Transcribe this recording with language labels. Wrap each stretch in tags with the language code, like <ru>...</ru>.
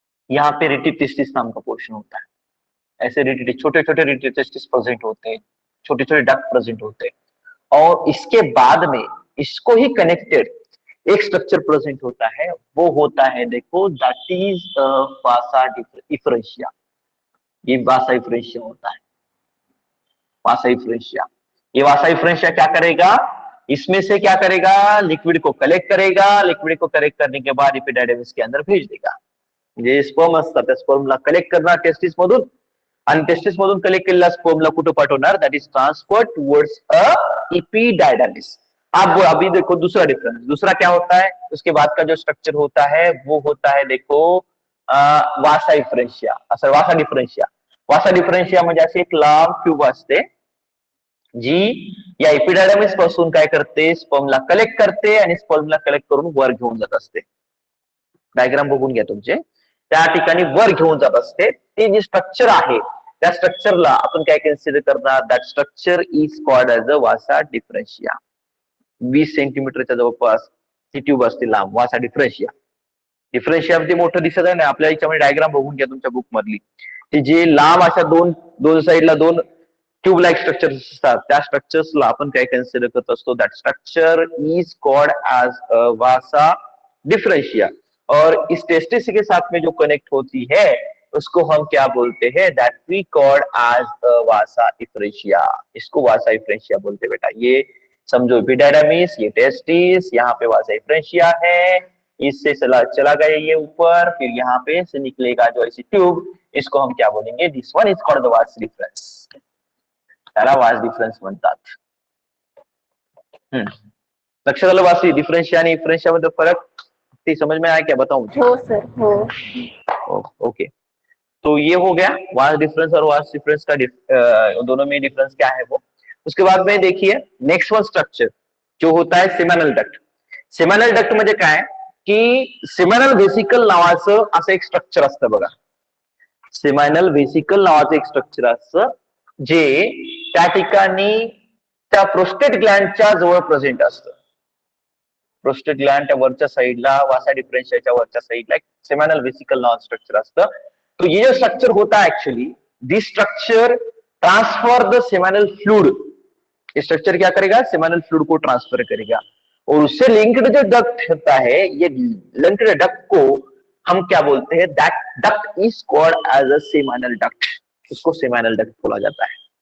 <hi>यहाँ पे रिटी टेस्टिस नाम का पोर्शन होता है, ऐसे रिटी छोटे छोटे रिटी टेस्टिस प्रेजेंट होते हैं, छोटे छोटे डक्ट प्रेजेंट होते हैं, और इसके बाद में इसको ही कनेक्टेड एक स्ट्रक्चर प्रेजेंट होता है, वो होता है देखो दैट इज वासा इफरेंशिया। ये वासा इफरेंशिया होता है, वासा इफरेंशिया। ये वासा इफरेंशिया क्या करेगा, इसमें से क्या करेगा, लिक्विड को कलेक्ट करेगा, लिक्विड को कलेक्ट करने के बाद एपिडर्मिस के अंदर भेज देगा।</hi> <mr>जे स्पर्म असतात त्या स्पर्मला कलेक्ट करणार टेस्टिस मधून, आणि टेस्टिस मधून कलेक्ट केलेल्या स्पर्मला कुठे पाठवणार,</mr> <en>That is transfer towards a epidermis.</en> <hi>अब अभी देखो दुसरा डिफरन्स, दुसरा क्या होता है, उसके बाद का जो स्ट्रक्चर होता है वो होता है देखो वासा इफरेंशिया, सॉरी वासा डिफरेंशिया।</hi> <mr>वासा डिफरेंशिया म्हणजे अशी एक लांब ट्यूब असते जी या एपिडर्मिस पासून काय करते, स्पर्मला कलेक्ट करते, आणि स्पर्मला कलेक्ट करून वर घेऊन जात असते। डायग्राम बघून घ्या तुमचे, त्या ठिकाणी वर घेऊन जात असते, ते जे स्ट्रक्चर आहे त्या स्ट्रक्चरला आपण काय कन्सिडर करणार,</mr> <en>That structure is called as a vasa differentia.</en> <mr>20 सेंटीमीटरच्या जवळपास ती ट्यूब असते लांब, वासा डिफरेंशिया। डिफरेंशिया ती मोठं दिसत आहे ना आपल्या याच्यामध्ये, डायग्राम बघून घ्या तुमच्या बुक मधली, ती जे लांब अशा दोन साईडला दोन ट्यूब लाईक स्ट्रक्चर असतात त्या स्ट्रक्चर्सला आपण काय कन्सिडर करत असतो,</mr> <en>That structure is called as a vasa differentia.</en> <hi>और इस टेस्टिस के साथ में जो कनेक्ट होती है उसको हम क्या बोलते हैं,</hi> <en>that we called as a vasa efferentia,</en> <hi>इसको वासा इफरेंशिया बोलते हैं बेटा। ये समझो एपिडर्मिस, ये टेस्टिस, यहाँ पे वासा इफरेंशिया है, इससे चला गया ये ऊपर, फिर यहाँ पे से निकलेगा जो ऐसी ट्यूब, इसको हम क्या बोलेंगे,</hi> <en>this one is called the vas deferens,</en> <hi>vas deferens बनता।</hi> <mr>लक्षात आलं वासी डिफरेंशिया आणि इफरेंशिया मध्ये फरक,</mr> <hi>समझ में आया क्या, बताओ मुझे?</hi> <mr>हो सर, ओके।</mr> <hi>तो ये हो गया वास डिफरेंस और वास डिफरेंस का दोनों में डिफरेंस क्या है वो। उसके बाद में देखिए नेक्स्ट वन स्ट्रक्चर जो होता है सेमिनल डक्ट।</hi> <mr>सेमिनल डक्ट</mr> <hi>मुझे क्या है कि</hi> <mr>सेमिनल वेसिकल नावाचं असं एक स्ट्रक्चर असतं बघा, सेमिनल वेसिकल नावाचं एक स्ट्रक्चर असतं जे त्या ठिकाणी त्या प्रोस्टेट ग्लँडच्या जवळ प्रेझेंट असतं। प्रोस्टेट ग्लँड वरच्या साईडला, वासा डिफरेंशियाच्या वरच्या साईडला एक सेमिनल वेसिकल नॉन स्ट्रक्चर असतं।</mr> <hi>तो ये जो स्ट्रक्चर होता है</hi> <en>actually this structure transfer the seminal fluid,</en> <hi>ये स्ट्रक्चर क्या करेगा, सेमिनल फ्लूड को ट्रांसफर करेगा, और उससे लिंक्ड जो डक्ट होता है ये लिंक्ड डक्ट को हम क्या बोलते हैं,</hi> <en>that duct is called as a seminal duct,</en> <hi>उसको सेमिनल डक्ट बोला जाता है।</hi>